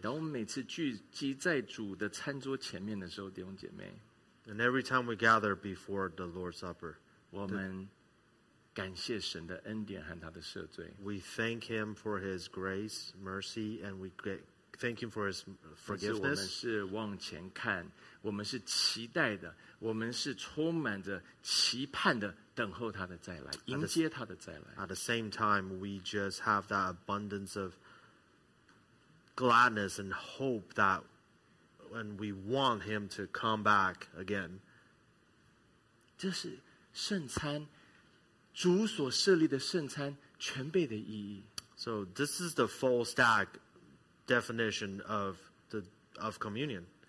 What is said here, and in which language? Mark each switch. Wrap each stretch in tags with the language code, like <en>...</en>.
<zh>当我们每次聚集在主的餐桌前面的时候，弟兄姐妹，</zh> <en>and every time we gather before the Lord's Supper,</en> <zh>我们感谢神的恩典和他的赦罪。</zh> <en>We thank Him for His grace, mercy, and we thank Him for His forgiveness.</en> <zh>但是我们是往前看。我们是期待的，我们是充满着期盼的，等候他的再来，迎接他的再来。</zh> <en>At the same time, we just have that abundance of gladness and hope that when we want him to come back again.</en> <zh>这是圣餐，主所设立的圣餐全备的意义。</zh> <en>So this is the full stack definition of of communion.</en>